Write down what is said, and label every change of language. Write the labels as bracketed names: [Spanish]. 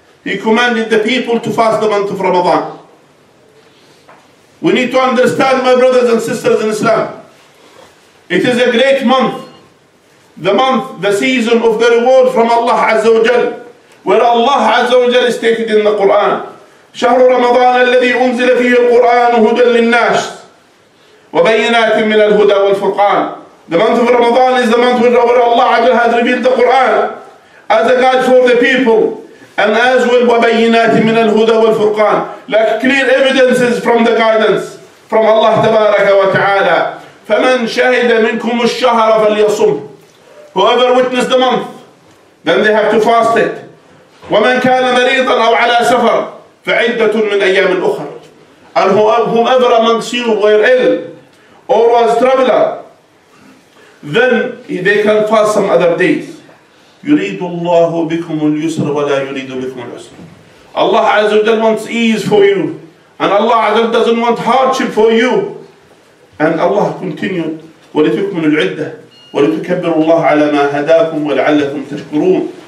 [English] He commanded the people to fast the month of Ramadan. We need to understand, my brothers and sisters in Islam, it is a great month, the month, the season of the reward from Allah Azza wa Jal, where Allah Azza wa Jal is stated in the Quran. [Arabic] شهر رمضان الذي أنزل فيه القرآن هدى للناس وبينات من الهدى والفرقان. [English] The month of Ramadan is the month where Allah Azza wa Jal has revealed the Quran as a guide for the people, and as well [Arabic] وبينات من الهدى والفرقان, [English] like clear evidences from the guidance from Allah تبارك وتعالى. [Arabic] فَمَنْ شَهِدَ مِنْكُمُ الشَّهَرَ فَلْيَصُمْ. [English] Whoever witnessed the month, then they have to fast it. [Arabic] وَمَنْ كَانَ مَرِيضًا أَوْ عَلَى سَفَرٍ فَعِدَّةٌ مِنْ أَيَّامٍ أُخَرٍ. [English] And whoever amongst you were ill or was traveler, then they can fast some other days. [Arabic] يُرِيدُ اللَّهُ بِكُمُ الْيُسْرَ وَلَا يُرِيدُ بِكُمُ الْعُسْرَ. [English] Allah Azza wa Jalla wants ease for you, and Allah Azza wa Jalla doesn't want hardship for you. And Allah continued, [Arabic] وَلِتُكْمِنُ الْعِدَّةِ وَلِتُكَبِّرُ اللَّهَ عَلَى مَا هَدَاكُمْ وَلَعَلَّكُمْ تَشْكُرُونَ.